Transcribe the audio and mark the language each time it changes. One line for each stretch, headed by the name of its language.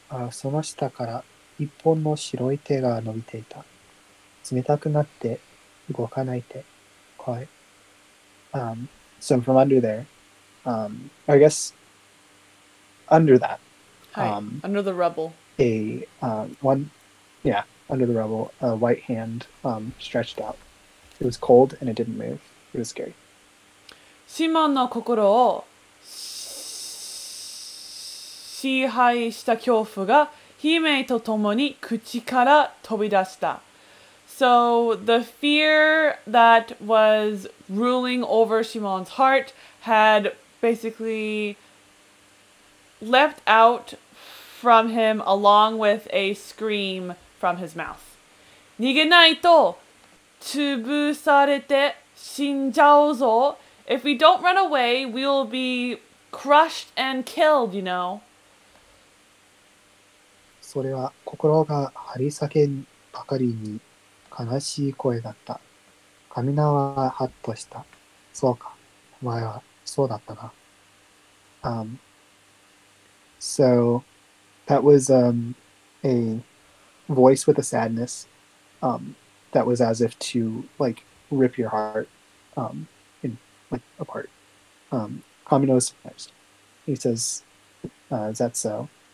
Japanese: その下から一本の白い手が伸びていた。冷たくなって動かない手。怖い。
English: So from under there, I guess under that. Under the rubble. Under the rubble, a white hand stretched out. It was cold and it didn't move. It was scary.
Japanese: Shimon の心を支配した恐怖が姫と共に口から飛び出した。
English: So the fear that was ruling over Shimon's heart had basically leapt out from him along with a scream from his mouth.
Japanese: 逃げないと潰されて死んじゃうぞ。
English: If we don't run away, we will be crushed and killed, you know.
Japanese: それは心が張り裂けんばかりに悲しい声だった。神奈はハッとした。そうか、お前はそうだったな。
English: So that was a voice with a sadness that was as if to like rip your heart in like apart. Kamino is surprised. He says, is that so?